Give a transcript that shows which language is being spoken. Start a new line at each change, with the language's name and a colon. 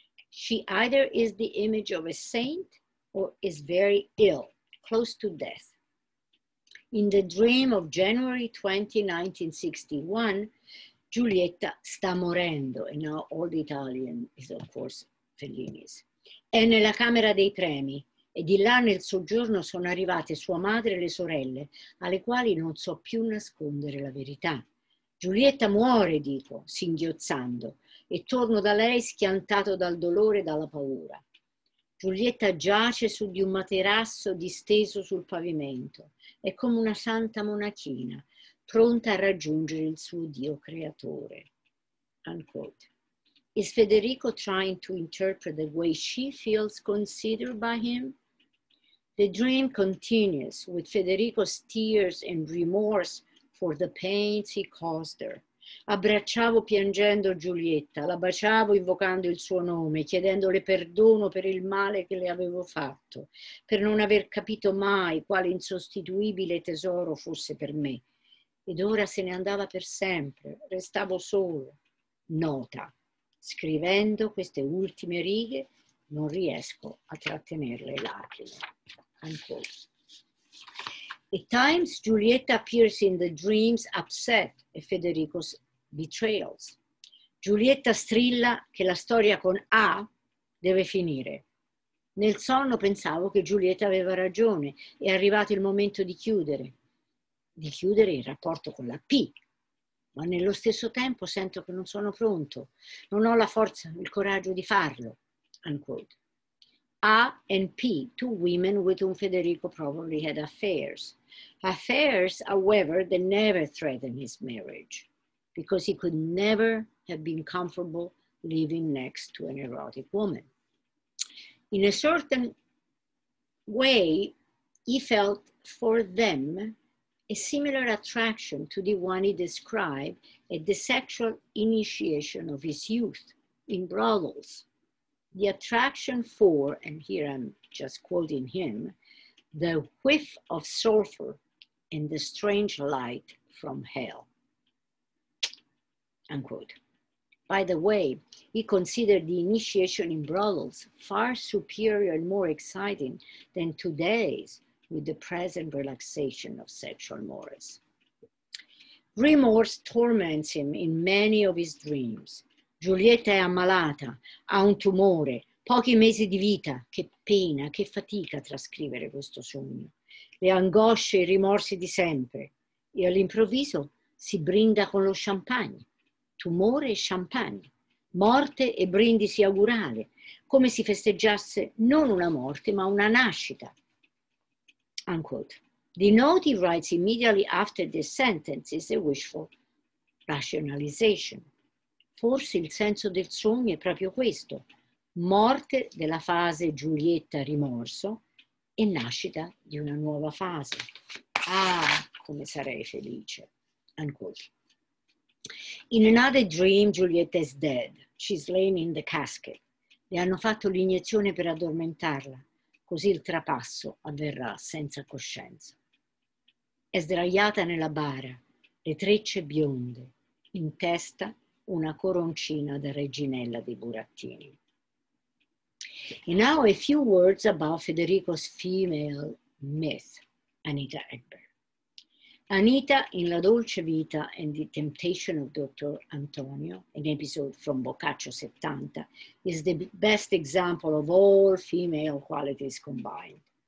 English: She either is the image of a saint or is very ill, close to death. In the dream of January 20, 1961, Giulietta
Italian: sta morendo,
English: and now all the Italian is of course Fellini's.
Italian: È nella camera dei premi, e di là nel soggiorno sono arrivate sua madre e le sorelle, alle quali non so più nascondere la verità. Giulietta muore, dico, singhiozzando, e torno da lei schiantato dal dolore e dalla paura. Giulietta giace su di un materasso disteso sul pavimento, è come una santa monachina, pronta a raggiungere il suo Dio creatore.
English: Unquote. Is Federico trying to interpret the way she feels considered by him? The dream continues with Federico's tears and remorse for the pains he caused her.
Italian: Abbracciavo piangendo Giulietta, la baciavo invocando il suo nome, chiedendole perdono per il male che le avevo fatto, per non aver capito mai quale insostituibile tesoro fosse per me. Ed ora se ne andava per sempre, restavo solo. Nota, scrivendo queste ultime righe, non riesco a trattenere le lacrime. Ancora.
English: At times, Giulietta appears in the dreams upset at Federico's betrayals.
Italian: Giulietta strilla che la storia con A deve finire. Nel sonno pensavo che Giulietta aveva ragione, è arrivato il momento di chiudere il rapporto con la P. Ma nello stesso tempo sento che non sono pronto, non ho la forza, il coraggio di farlo.
English: Unquote. A and P, two women with whom Federico probably had affairs. Affairs, however, that never threatened his marriage because he could never have been comfortable living next to an erotic woman. In a certain way, he felt for them a similar attraction to the one he described at the sexual initiation of his youth in brothels. The attraction for, and here I'm just quoting him, the whiff of sulfur in the strange light from hell. Unquote. By the way, he considered the initiation in brothels far superior and more exciting than today's with the present relaxation of sexual mores. Remorse torments him in many of his dreams.
Italian: Giulietta è ammalata, ha un tumore, pochi mesi di vita, che pena, che fatica trascrivere questo sogno. Le angosce e i rimorsi di sempre. E all'improvviso si brinda con lo champagne, tumore e champagne, morte e brindisi augurale, come si festeggiasse non una morte ma una nascita.
English: Unquote. The note he writes immediately after this sentence is a wishful rationalization.
Italian: Forse il senso del sogno è proprio questo, morte della fase Giulietta-rimorso e nascita di una nuova fase. Ah, come sarei felice.
English: Unquote. In another dream, Giulietta is dead. she's laying in the casket.
Italian: Le hanno fatto l'iniezione per addormentarla, così il trapasso avverrà senza coscienza. È sdraiata nella bara, le trecce bionde, in testa una coroncina da reginella dei burattini.
English: And now a few words about Federico's female myth, Anita Ekberg. Anita in La Dolce Vita and the Temptation of Dr. Antonio, an episode from Boccaccio 70, is the best example of all female qualities combined.